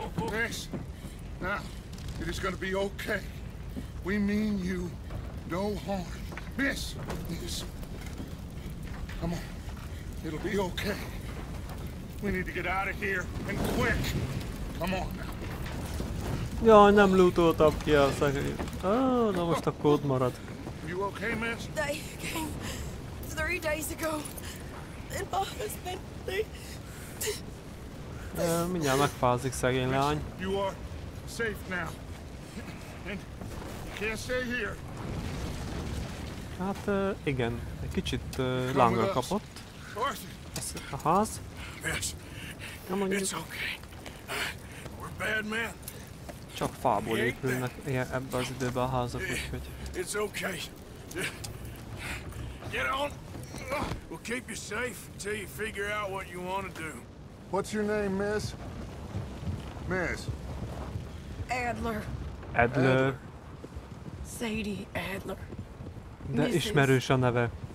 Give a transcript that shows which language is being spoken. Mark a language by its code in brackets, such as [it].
[en] Miss, now, it is going to be okay. We mean you no harm. Miss, miss. Come on. It'll be okay. We need to get out of here and quick. Come on. [hu] Jaj, nem lootoltam ki a szegélyt. Na most akkor ott marad. [en] You okay, miss? They came 3 days ago. And my husband, they... [hu] mindjárt megfázik szegény lány. [en] Miss, you are safe now. And you can't stay here. [hu] Hát igen, egy kicsit lángra kapott. A ház. [en] Miss, [hu] nem mondjuk. [en] It's okay. Bad man. [hu] Csak fából épülnek ebbe az időben a házak, úgyhogy. [en] It's okay. Get on. We'll keep you safe until you figure out what you want to do. What's your name, miss? Miss. Adler. Adler. Sadie Adler. [hu] De ismerős a neve.